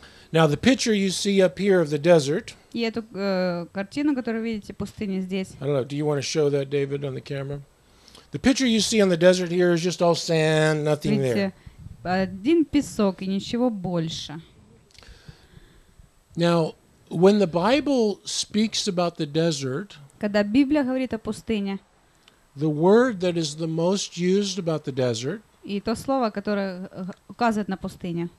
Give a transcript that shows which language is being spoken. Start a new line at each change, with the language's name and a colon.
English: Now the picture you see up here of the desert.
Russian: И эту картину, которую видите в пустыне здесь.
English: I don't know. Do you want to show that, David, on the camera? The picture you see on the desert here is just all sand, nothing
Russian: видите,
English: there.
Russian: Один песок и ничего больше.
English: Now, when the Bible speaks about the desert,
Russian: когда Библия говорит о пустыне,
English: the word that is the most used about the desert,
Russian: и то слово, которое указывает на пустыню,